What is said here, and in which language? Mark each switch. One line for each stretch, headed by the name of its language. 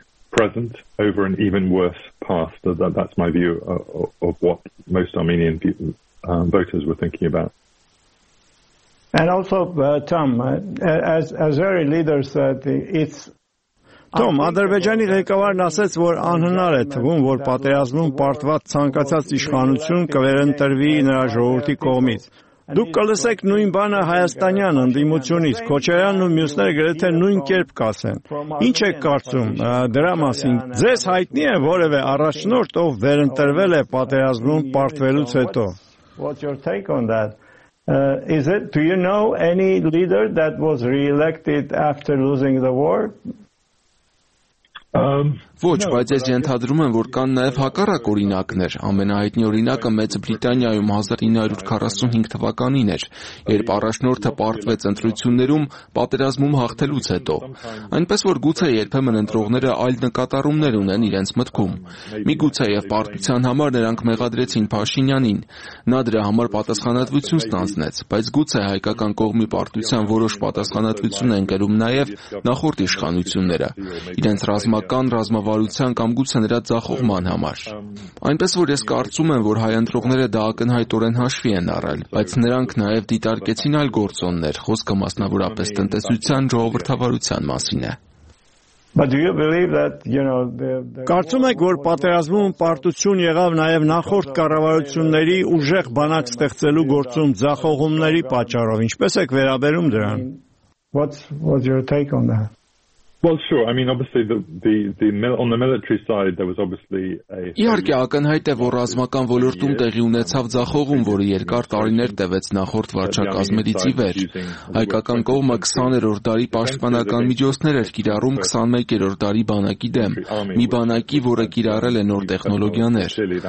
English: Present over an even worse past. That's my view of what most Armenian voters were thinking about. And also, Tom, as very leader said, it's
Armenian: Tom, Ադրբեջանի ղեկավարն ասաց, որ անհնար է թվում, որ պատերազմում պարտված ցանկացած իշխանություն կվերընտրվի նրա ժողովրդի կողմից։ Դուք կլսեք նույն բանը հայաստանյան ընդդիմությունից, Քոչարյանն ու մյուսները գրեթե նույն կերպ կասեն։ Ինչ եք կարծում դրա մասին։ Ձեզ հայտնի է որևէ առաջնորդ, ով վերընտրվել է պատերազմում պարտվելուց հետո։
English: What's your take on that? Do you know any leader that was re-elected after losing the war?
Armenian: Ոչ, բայց ես ենթադրում եմ, որ կան նաև հակառակ օրինակներ։ Ամենահայտնի օրինակը Մեծ Բրիտանիայում 1945 թվականին էր, երբ առաջնորդը պարտվեց ընտրություններում պատերազմում հաղթելուց հետո։ Այնպես որ գուցե երբեմն ընտրողները այլ նկատառումներ ունեն իրենց մտքում։ Մի գուցե եւ պարտության համար նրանք մեղադրեցին Փաշինյանին, նա դրա համար պատասխանատվություն ստանձնեց, բայց գուցե հայկական կողմի պարտության որոշ պատասխանատվություն են կրում նաև նախորդ իշխանությունները։ Իրենց ռազմական ռազմավարության կամ գուցե նրա ձախողման համար։ Այնպես որ ես կարծում եմ, որ հայընտրողները դա ակնհայտորեն հաշվի են առել, բայց նրանք նաև դիտարկեցին այլ գործոններ, խոսքը մասնավորապես տնտեսության ժողովրդավարության մասին է։
English: But do you believe that, you know,
Armenian: Կարծում եք, որ պատերազմում պարտություն եղավ նաև նախորդ կառավարությունների ուժեղ բանակ ստեղծելու գործում ձախողումների պատճառով, ինչպես եք վերաբերում դրան։
English: What's your take on that? Well, sure. I mean, obviously, on the military side, there was obviously
Armenian: Իհարկե, ակնհայտ է, որ ռազմական ոլորտում տեղի ունեցավ ձախողում, որը երկար տարիներ տևեց նախորդ վարչակազմերից ի վեր։ Հայկական կողմը 20-րդ դարի պաշտպանական միջոցներ էր կիրառում 21-րդ դարի բանակի դեմ, մի բանակի, որը կիրառել է նոր տեխնոլոգիաներ։